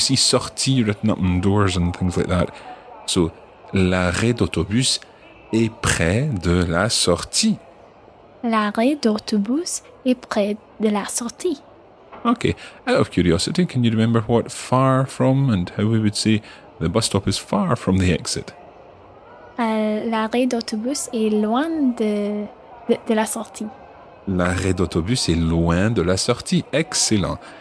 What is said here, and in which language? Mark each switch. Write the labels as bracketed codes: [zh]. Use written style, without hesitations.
[en] You see sortie written up in doors and things like that. [fr] So, l'arrêt d'autobus est près de la sortie. L'arrêt d'autobus est près de la sortie. [en] Okay. Out of curiosity, can you remember what far from and how we would say the bus stop is far from the exit? [fr] L'arrêt d'autobus est loin de la sortie. L'arrêt d'autobus est loin de la sortie. Excellent.